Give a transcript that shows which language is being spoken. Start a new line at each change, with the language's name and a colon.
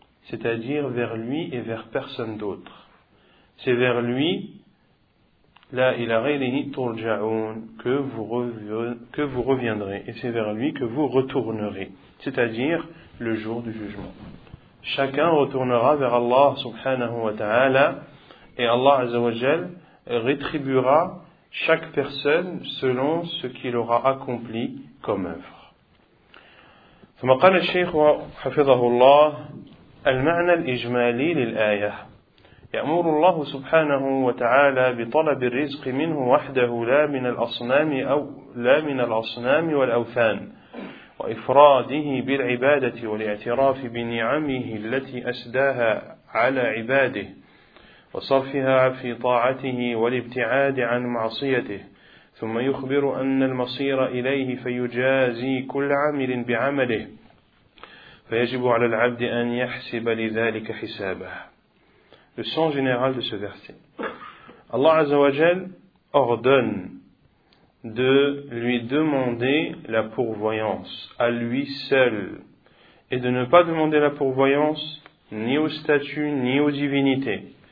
French: c'est-à-dire vers lui et vers personne d'autre. C'est vers lui,
Arabic: la ilaha illahi turja'un,
French: que vous reviendrez, et c'est vers lui que vous retournerez, c'est-à-dire le jour du jugement. Chacun retournera vers Allah subhanahu wa ta'ala, et Allah azza wa jal rétribuera chaque personne selon ce qu'il aura accompli comme œuvre.
Arabic: ثم قال الشيخ حفظه الله المعنى الإجمالي للآية يأمر الله سبحانه وتعالى بطلب الرزق منه وحده لا من الأصنام أو لا من الأصنام والأوثان وإفراده بالعبادة والاعتراف بنعمه التي أسداها على عباده وصرفها في طاعته والابتعاد عن معصيته ثم يخبر أن المصير إليه فيجازي كل عامل بعمله فيجب على العبد أن يحسب لذلك حسابه.
French: Le sens général de ce verset. Allah Azza wa Jal ordonne de lui demander la pourvoyance à lui seul et de ne pas demander la pourvoyance ni aux statues ni aux divinités